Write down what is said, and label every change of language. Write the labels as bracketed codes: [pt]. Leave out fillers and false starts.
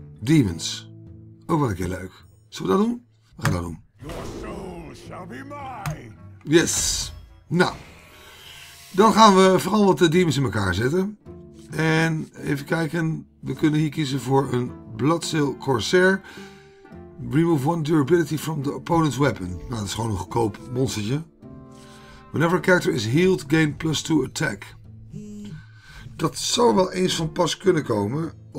[nl] Demons. Ook wel een keer leuk. Zullen we dat doen? We gaan dat doen. [en] Your soul shall be mine. Yes. Nou. [nl] Dan gaan we vooral wat de demons in elkaar zetten. En even kijken. We kunnen hier kiezen voor een Bloodsail Corsair. [en] Remove one durability from the opponent's weapon. [nl] Nou, dat is gewoon een goedkoop monstertje. [en] Whenever a character is healed, gain plus 2 attack. [nl] Dat zou wel eens van pas kunnen komen.